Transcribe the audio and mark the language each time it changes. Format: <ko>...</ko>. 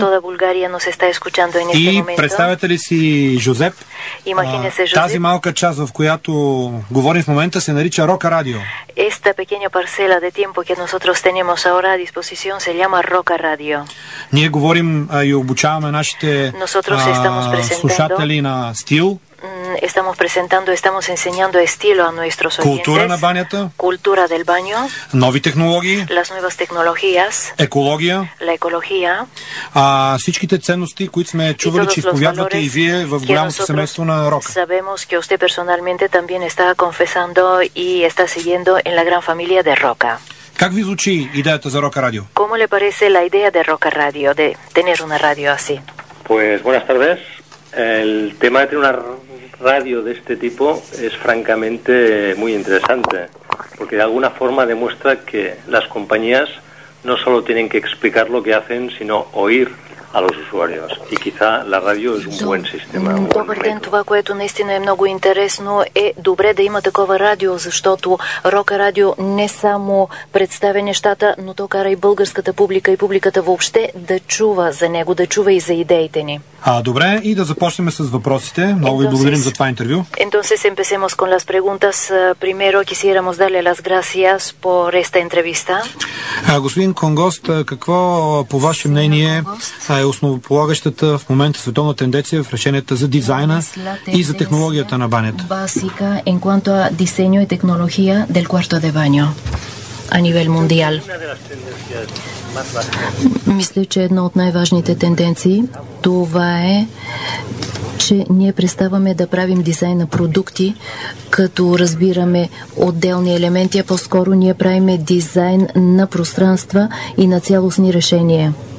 <es>Toda Bulgaria nos está escuchando en este</es> <bg>momento. И представяте ли си, Жозеп?</bg> <es>Imagínese, Жозеп.</es> <bg>Тази малка част, в която говорим в момента, се нарича Рока Радио.</bg> <es>Es Esta pequeña parcela de tiempo que nosotros tenemos ahora a disposición se llama Roca Radio.</es> <bg>Ние говорим и обучаваме нашите слушатели на стил.</bg> <es>Estamos presentando, estamos enseñando estilo a nuestros oyentes.</es> <bg>Култура на банята.</bg> <es>Култура del baño.</es> <bg>Нови технологии.</bg> <es>Las nuevas tecnologías.</es> <bg>Екология.</bg> <es>La ecología.</es> <bg>Всичките ценности, които сме чували, че изповядвате и вие в голямото семейство на Рока.</bg> <es>Sabemos que usted personalmente también está confesando y está siguiendo en la gran familia de Roca.</es> <bg>Как ви звучи идеята за Рока Радио?</bg> <es>¿Cómo le parece la idea de Roca Radio, de tener una radio así? Pues buenas tardes. El tema de tener una radio de este tipo es francamente muy interesante, porque de alguna forma demuestra que las compañías no solo tienen que explicar lo que hacen, sino oír a los usuarios. Y quizá la radio es un buen sistema.</es> <bg>Добър ден, това, което наистина е много интересно, е добре да има такова радио, защото Рок Радио не само представя нещата, но то кара и българската публика и публиката въобще да чува за него, да чува и за идеите ни. Добре, и да започнем с въпросите. Много ви благодарим за това интервю.</bg> <es>Entonces empecemos con las preguntas. Primero quisiéramos darle las gracias por esta entrevista.</es> <bg>Господин Конгост, какво по ваше мнение е основополагащата в момента световна тенденция в решенията за дизайна и за технологията на банята?</bg> <es>Básica en cuanto a diseño y tecnología del cuarto de baño a nivel mundial.</es> <bg>Мисля, че една от най-важните тенденции това е, че ние преставаме да правим дизайн на продукти, като разбираме отделни елементи, а по-скоро ние правим дизайн на пространства и на цялостни решения.</bg>